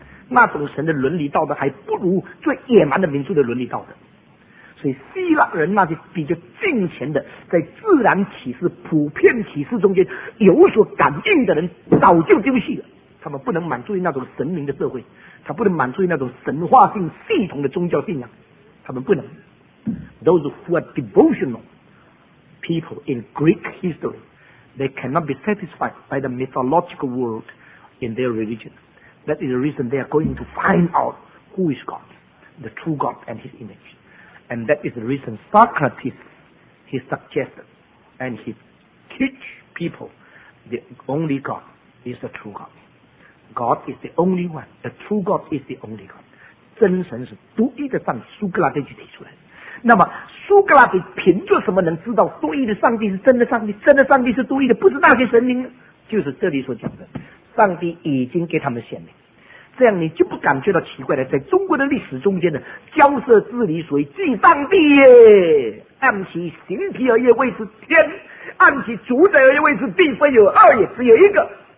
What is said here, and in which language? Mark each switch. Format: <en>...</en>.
<zh>那种神的伦理道德还不如最野蛮的民族的伦理道德，所以希腊人那些比较近前的，在自然启示、普遍启示中间有所感应的人，早就丢弃了。他们不能满足于那种神明的社会，他不能满足于那种神话性系统的宗教信仰，他们不能。</zh> <en>Those who are devotional people in Greek history, they cannot be satisfied by the mythological world in their religion. That is the reason they are going to find out who is God, the true God and his image. And that is the reason Socrates, he suggested and he teach people the only God is the true God. God is the only one. The true God is the only God.</en> <zh>真神是独一的上帝，苏格拉底就提出来。那么苏格拉底凭着什么能知道独一的上帝是真的上帝？真的上帝是独一的，不是那些神明。就是这里所讲的，上帝已经给他们显明，这样你就不感觉到奇怪了。在中国的历史中间呢，骄奢自理所以祭上帝耶，按其形体而业谓之天，按其主宰而业谓之地，非有二也，只有一个。</zh>